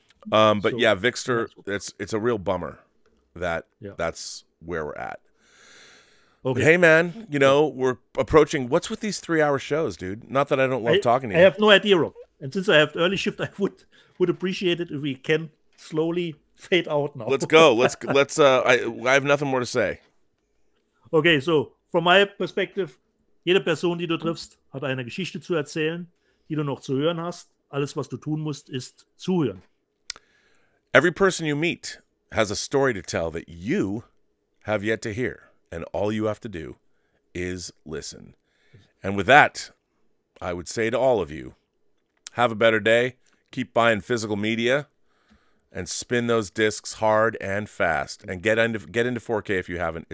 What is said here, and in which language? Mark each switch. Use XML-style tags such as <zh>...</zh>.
<en>Vixter, it's a real bummer that that's where we're at. Okay. But hey, man, you know, we're approaching. What's with these 3-hour shows, dude? Not that I don't love talking to you. I have no idea, Rob. And since I have early shift, I would appreciate it if we can slowly fade out now. Let's go. Let's. I have nothing more to say. Okay, so from my perspective,</en> <de>jede Person, die du triffst, hat eine Geschichte zu erzählen, die du noch zu hören hast. Alles, was du tun musst, ist zuhören.</de> <en>Every person you meet has a story to tell that you have yet to hear, and all you have to do is listen. And with that, I would say to all of you, have a better day, keep buying physical media, and spin those discs hard and fast, and get into 4K if you haven't.</en>